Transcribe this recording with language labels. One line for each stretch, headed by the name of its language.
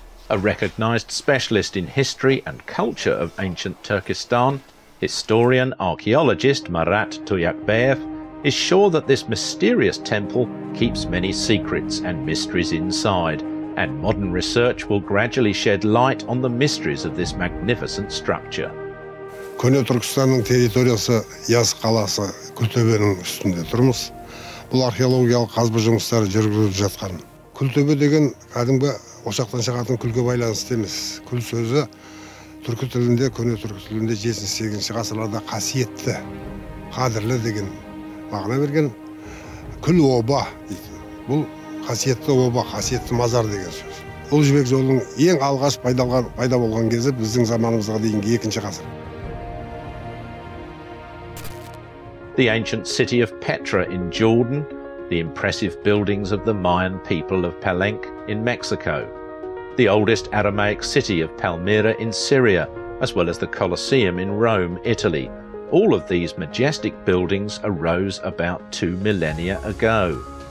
English: A recognized specialist in history and culture of ancient Turkestan, historian archaeologist Marat Tuyakbeyev is sure that this mysterious temple keeps many secrets and mysteries inside, and modern research will gradually shed light on the mysteries of this magnificent structure.
Kazakh: Көне Түркістанның территориясы Яз қаласы Күлтөбенің үстінде тұрмыз. Бұл археологиялық қазба жұмыстары жүргізіліп жатқан. Күлтөбе деген кәдімгі ошақтан шығатын күлге байланысты емес. Күл сөзі түркі тілінде, көне түркі тілінде 7-8 ғасырларда қасиетті, қадірлі деген мағына берген күл оба дейді. Бұл қасиетті оба, қасиетті мазар деген сөз. Ол жібек жолының ең алғаш пайда болған кезі біздің заманымызға дейінгі екінші ғасыр.
English: The ancient city of Petra in Jordan, the impressive buildings of the Mayan people of Palenque in Mexico, the oldest Aramaic city of Palmyra in Syria, as well as the Colosseum in Rome, Italy. All of these majestic buildings arose about 2 millennia ago.